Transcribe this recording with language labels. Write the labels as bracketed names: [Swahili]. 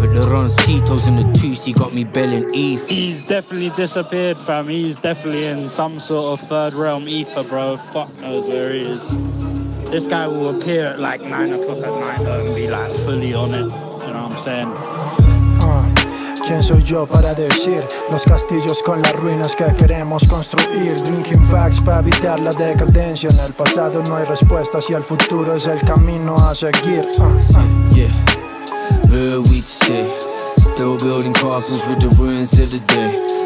[English] But the Roncitos and the Tusi got me belling ether. He's definitely disappeared, fam. He's definitely in some sort of third realm ether, bro. Fuck knows where he is. This guy will appear at like 9 o'clock at night and be like fully on it. You know what I'm saying? [Spanish] ¿Quién soy yo para decir? Los castillos con las ruinas que queremos construir. [English] Drinking facts [Spanish] para evitar la decadencia. En el pasado no hay respuestas y el futuro es el camino a seguir. [English] Yeah, heard we say. Still building castles with the ruins of the day.